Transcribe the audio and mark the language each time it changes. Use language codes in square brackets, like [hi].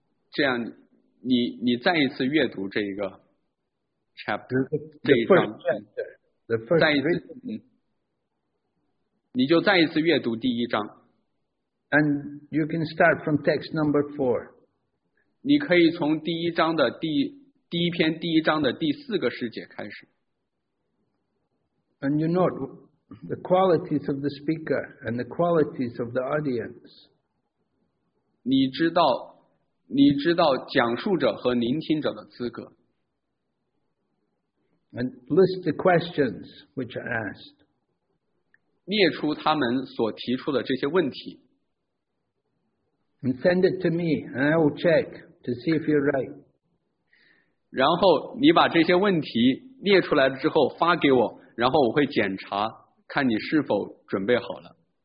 [zh] 这样你再一次阅读这一个 chapter, 你就再一次阅读第一章。 [en] And you can start from text number 4. [zh] 你可以从第一篇第一章的第四个诗节开始。 [en] And you note the qualities of the speaker and the qualities of the audience. [zh] 你知道讲述者和聆听者的资格。 [en] And list the questions which are asked. [zh] 列出他们所提出的这些问题。 [en] And send it to me, and I will check to see if you're right. [zh] 然后你把这些问题列出来之后发给我，然后我会检查看你是否准备好了。